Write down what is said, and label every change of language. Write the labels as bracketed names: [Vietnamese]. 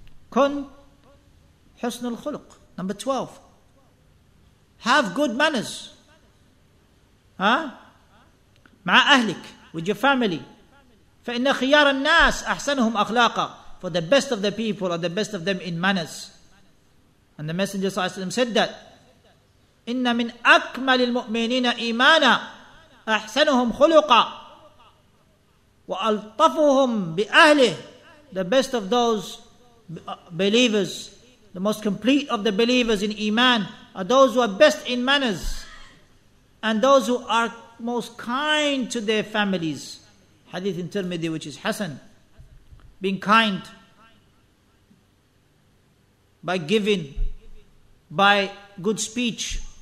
[Arabic] Kun husnul khuluq. [English] Number 12. Have good manners. Huh? [Arabic] Ma'a ahlik. [English] With your family. [Arabic] فَإِنَّ خِيَارَ النَّاسِ أَحْسَنُهُمْ أَخْلَاقًا. [English] For the best of the people are the best of them in manners. And the Messenger [Arabic] صلى الله عليه وسلم [English] said that, [Arabic] إِنَّ مِنْ أَكْمَلِ الْمُؤْمِنِينَ إِيمَانًا أَحْسَنُهُمْ خُلُقًا وَأَلْطَفُهُمْ بِأَهْلِهِ. [English] The best of those believers, the most complete of the believers in Iman, are those who are best in manners, and those who are most kind to their families. Hadith in Tirmidhi, which is Hassan, being kind by giving, by good speech.